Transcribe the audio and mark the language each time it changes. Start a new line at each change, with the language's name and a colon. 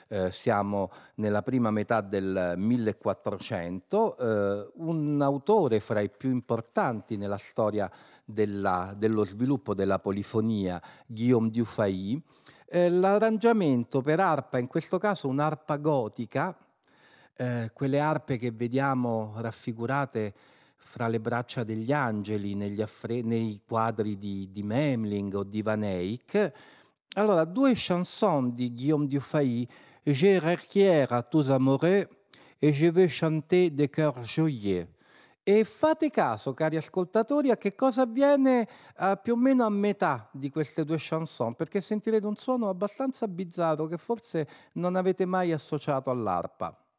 Italian: Siamo nella prima metà del 1400, un autore fra i più importanti nella storia dello sviluppo della polifonia, Guillaume Dufay. L'arrangiamento per arpa, in questo caso un'arpa gotica, quelle arpe che vediamo raffigurate fra le braccia degli angeli nei quadri di Memling o di Van Eyck. Allora, due chansons di Guillaume Dufay,
French: «J'ai requiert à tous amoureux et je veux chanter de cœur joyeux».
Italian: E fate caso, cari ascoltatori, a che cosa avviene più o meno a metà di queste due chanson, perché sentirete un suono abbastanza bizzarro che forse non avete mai associato all'arpa.